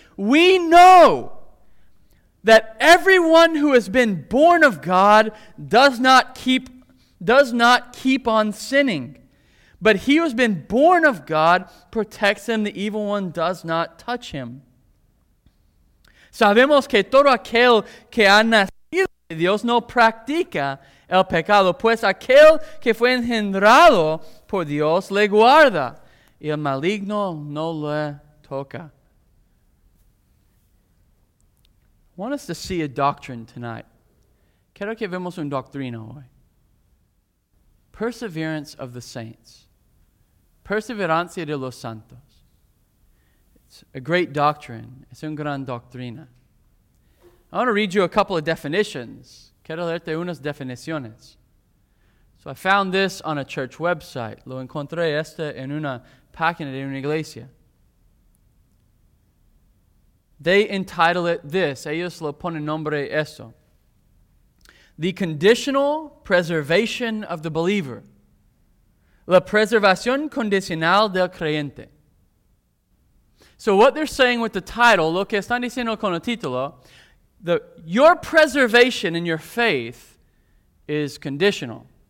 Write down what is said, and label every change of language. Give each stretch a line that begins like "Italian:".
English: We know that everyone who has been born of God does not keep on sinning. But he who has been born of God protects him. The evil one does not touch him.
Spanish: Sabemos que todo aquel que ha nacido de Dios no practica el pecado, pues aquel que fue engendrado por Dios le guarda, y el maligno no le toca.
English: I want us to see a doctrine tonight.
Spanish: Quiero que vemos una doctrina hoy.
English: Perseverance of the saints.
Spanish: Perseverancia de los santos.
English: It's a great doctrine.
Spanish: Es una gran doctrina.
English: I want to read you a couple of definitions.
Spanish: Quiero leerte unas definiciones.
English: So I found this on a church website.
Spanish: Lo encontré esta en una página de una iglesia.
English: They entitle it this.
Spanish: Ellos lo ponen nombre eso.
English: The conditional preservation of the believer.
Spanish: La preservación condicional del creyente.
English: So what they're saying with the title,
Spanish: lo que están diciendo con el título,
English: your preservation in your faith is conditional.